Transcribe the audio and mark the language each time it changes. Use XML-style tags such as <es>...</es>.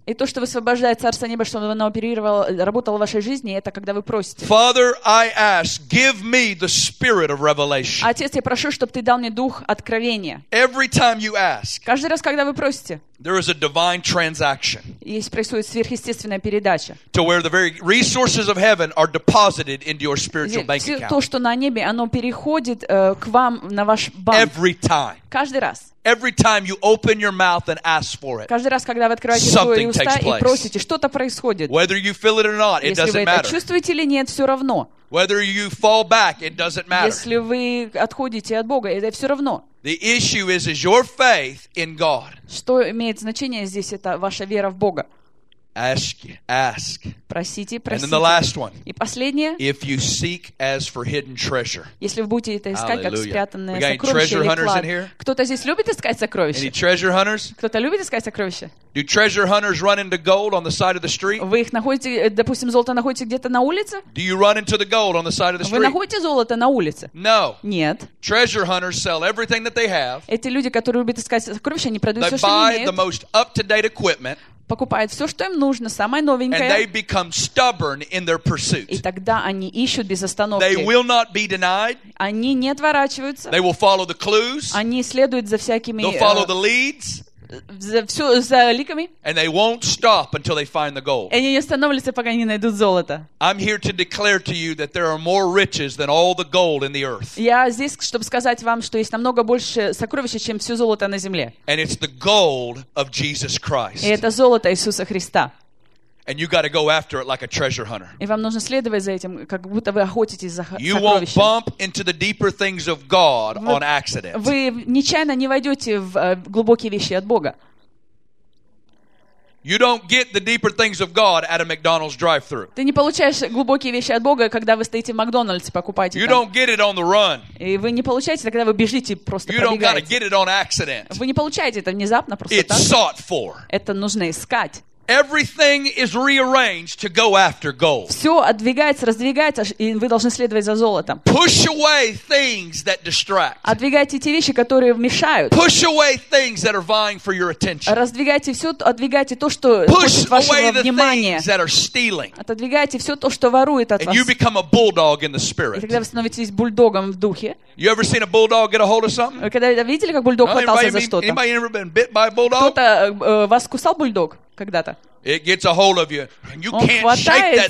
<ru>И то, что высвобождает царство неба, чтобы оно оперировало, работало в вашей жизни, это когда вы просите.</ru> <en>Father, I ask, give me the spirit of revelation.</en> <ru>Отец, я прошу, чтобы ты дал мне дух откровения.</ru> <en>Every time you ask.</en> <ru>Каждый раз, когда вы просите.</ru> <en>There is a divine transaction.</en> <ru>Есть происходит сверхъестественная передача.</ru> <en>To where the very resources of heaven are deposited into your spiritual bank account.</en> <ru>То, что на небе, оно переходит к вам на ваш банк.</ru> <en>Every time.</en> <ru>Каждый раз.</ru> <en>Every time you open your mouth and ask for it.</en> <ru>Каждый раз, когда вы открываете свои уста и просите, что-то происходит.</ru> <en>Whether you feel it or not, it doesn't matter.</en> <ru>Если вы это чувствуете или нет, все равно.</ru> <en>Whether you fall back, it doesn't matter.</en> <ru>Если вы отходите от Бога, это все равно.</ru> <en>The issue is your faith in God.</en> <ru>Что имеет значение здесь, это ваша вера в Бога.</ru> <en>Ask, ask.</en> <ru>Просите, просите.</ru> <en>And then the last one.</en> <ru>И последнее.</ru> <en>If you seek as for hidden treasure.</en> <ru>Если вы будете это искать как спрятанное сокровище.</ru> <en>Treasure hunters in here?</en> <ru>Кто-то здесь любит искать сокровища?</ru> <en>Any treasure hunters?</en> <ru>Кто-то любит искать сокровища?</ru> <en>Do treasure hunters run into gold on the side of the street?</en> <ru>Вы их находите, допустим, золото находите где-то на улице?</ru> <en>Do you run into the gold on the side of the street?</en> <ru>Вы находите золото на улице?</ru> <en>No.</en> <ru>Нет.</ru> <en>Treasure hunters sell everything that they have.</en> <ru>Эти люди, которые любят искать сокровища, они продают</ru> <en>they</en> <ru>все, что</ru> <en>buy</en> <ru>имеют.</ru> <en>The most up-to-date equipment.</en> <ru>Покупают все, что им нужно, самое новенькое.</ru> <en>And they become stubborn in their pursuit.</en> <ru>И тогда они ищут без остановки.</ru> <en>They will not be denied.</en> <ru>Они не отворачиваются.</ru> <en>They will follow the clues.</en> <ru>Они следуют за всякими...</ru> <en>They'll follow the leads.</en> <ru>За ликами.</ru> <en>And they won't stop until they find the gold.</en> <ru>И они не остановятся, пока не найдут золото.</ru> <en>I'm here to declare to you that there are more riches than all the gold in the earth.</en> <ru>Я здесь, чтобы сказать вам, что есть намного больше сокровищ, чем все золото на земле.</ru> <en>And it's the gold of Jesus Christ.</en> <ru>И это золото Иисуса Христа.</ru> <en>And you got to go after it like a treasure hunter.</en> <ru>И вам нужно следовать за этим, как будто вы охотитесь за сокровищем.</ru> <en>You won't bump into the deeper things of God on accident.</en> <ru>Вы нечаянно не войдете в глубокие вещи от Бога.</ru> <en>You don't get the deeper things of God at a McDonald's drive-thru.</en> <ru>Ты не получаешь глубокие вещи от Бога, когда вы стоите в Макдональдсе покупаете.</ru> <en>You don't get it on the run.</en> <ru>И вы не получаете, когда вы бежите просто пробегаете.</ru> <en>You don't got to get it on accident.</en> <ru>Вы не получаете это внезапно просто так.</ru> <en>It's sought for.</en> <ru>Это нужно искать.</ru> <en>Everything is rearranged to go after gold.</en> <ru>Все отдвигается, раздвигается, и вы должны следовать за золотом.</ru> <en>Push away things that distract.</en> <ru>Отдвигайте те вещи, которые мешают.</ru> <en>Push away things that are vying for your attention.</en> <ru>Раздвигайте все, отдвигайте то, что хочет вашего внимания.</ru> <en>Push away the things that are stealing.</en> <ru>Отодвигайте все то, что ворует от вас.</ru> <en>And you become a bulldog in the spirit.</en> <ru>И тогда вы становитесь бульдогом в духе.</ru> <en>You ever seen a bulldog get a hold of something?</en> <ru>Вы когда-то видели, как бульдог хватался за что-то?</ru> <en>Anybody ever been bit by a bulldog?</en> <ru>Кто-то вас кусал бульдог? когда-то.</ru> <en>It gets a hold of you, and you can't shake that</en>